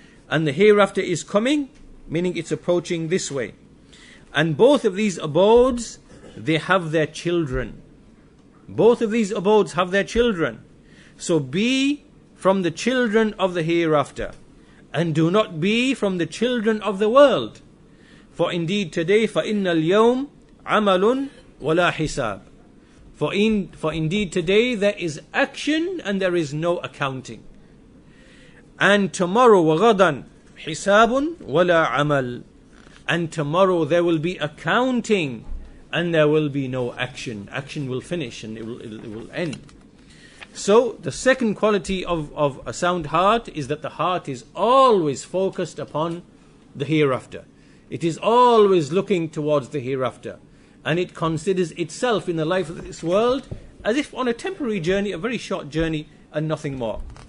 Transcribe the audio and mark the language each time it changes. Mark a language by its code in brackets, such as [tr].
[en] And the hereafter is coming, meaning it's approaching this way. And both of these abodes, they have their children. Both of these abodes have their children. So be from the children of the hereafter, and do not be from the children of the world. For indeed today, [ar] فَإِنَّ الْيَوْمِ عَمَلٌ وَلَا حِسَابٌ. [en] For indeed today there is action and there is no accounting. And tomorrow, [ar] وَغَدًا حِسَابٌ وَلَا عَمَلٌ. [en] And tomorrow there will be accounting and there will be no action. Action will finish and it will end. So the second quality of a sound heart is that the heart is always focused upon the hereafter. It is always looking towards the hereafter. And it considers itself in the life of this world as if on a temporary journey, a very short journey, and nothing more.